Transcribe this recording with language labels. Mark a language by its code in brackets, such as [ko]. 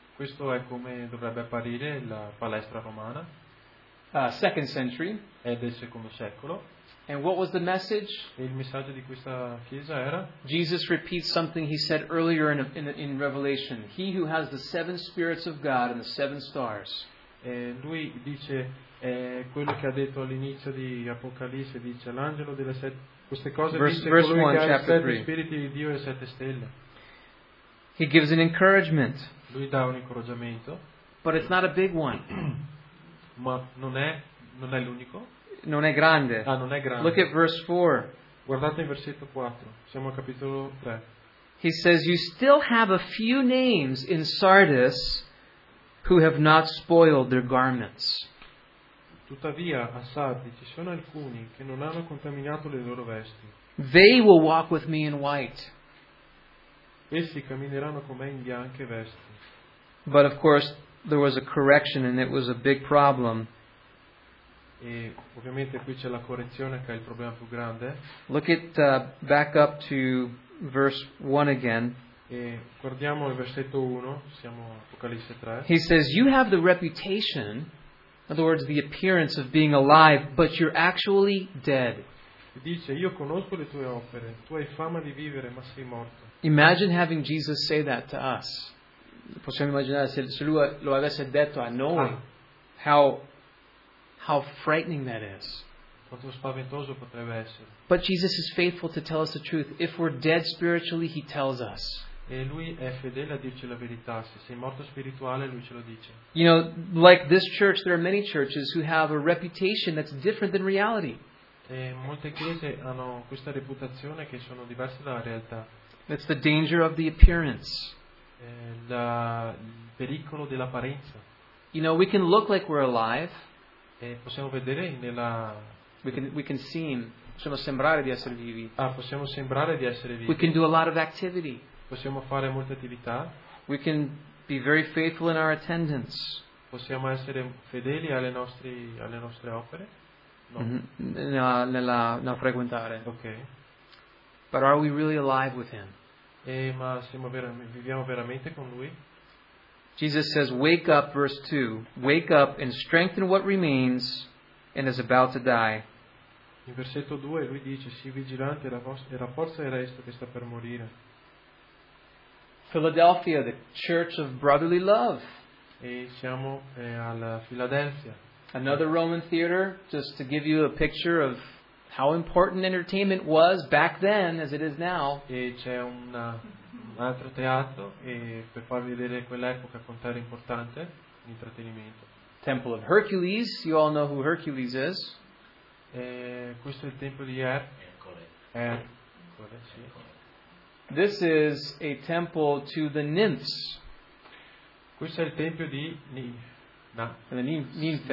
[it] Questo è come dovrebbe apparire la palestra romana. [en] Second century. [it] È del secondo secolo. [en] And what was the message? [it] E il messaggio di questa chiesa era? [en] Jesus repeats something he said earlier in Revelation. He who has the seven spirits of God and the seven stars. [it] E lui dice quello che ha detto all'inizio di Apocalisse, dice l'angelo delle sette queste cose, [en] verse 1, chapter 3. [it] Sette spiriti di Dio e sette stelle. [en] He gives an encouragement. [it] Lui dà un incoraggiamento. [en] But it's not a big one. [it] Ma non è l'unico. Non è grande. Ah, non è grande. [en] Look at verse 4. [it] Guardate il versetto 4. Siamo al capitolo 3. [en] He says, "You still have a few names in Sardis who have not spoiled their garments." [it] Tuttavia, a Sardi ci sono alcuni che non hanno contaminato le loro vesti. [en] They will walk with me in white. [it] Essi cammineranno con me in bianche vesti. [en] But of course, there was a correction, and it was a big problem. [it] E ovviamente qui c'è la correzione che è il problema più grande. [en] Look it back up to verse 1 again. [it] E guardiamo il versetto 1, siamo Apocalisse 3. [en] He says, "You have the reputation, in other words, the appearance of being alive, but you're actually dead." [it] Dice, io conosco le tue opere, tu hai fama di vivere, ma sei morto. [en] Imagine having Jesus say that to us. [it] Possiamo immaginare se lui lo avesse detto a noi. [en] How frightening that is. [it] Quanto spaventoso potrebbe essere. [en] But Jesus is faithful to tell us the truth. If we're dead spiritually, he tells us. [it] E lui è fedele a dirci la verità. Se sei morto spirituale, lui ce lo dice. [en] You know, like this church, there are many churches who have a reputation that's different than reality. [it] E molte chiese hanno questa reputazione che sono diverse dalla realtà. [en] It's the danger of the appearance. [it] Il pericolo dell'apparenza. [en] You know, we can look like we're alive. [it] E possiamo vedere nella. [en] We can seem. [it] Possiamo sembrare di essere vivi. Ah, possiamo sembrare di essere vivi. [en] We can do a lot of activity. [it] Possiamo fare molte attività. [en] We can be very faithful in our attendance. [it] Possiamo essere fedeli alle nostre opere. No. Nella frequentare. [en] Okay. But are we really alive with him? [it] Ma viviamo veramente con lui? [en] Jesus says, "Wake up," verse 2. "Wake up and strengthen what remains and is about to die." [it] In versetto 2 lui dice, "Sii vigilante e rafforza il resto che sta per morire." [en] Philadelphia, the church of brotherly love. [it] E siamo alla Filadelfia. [en] Another Roman theater, just to give you a picture of how important entertainment was back then as it is now. [it] E c'è un altro teatro e per farvi vedere quell'epoca quanto era importante l'intrattenimento. [en] Temple of Hercules, you all know who Hercules is. [it] Questo è il tempio di Ercole. Ercole, sì. [en] This is a temple to the nymphs. [it] Questo è il tempio di ninfe.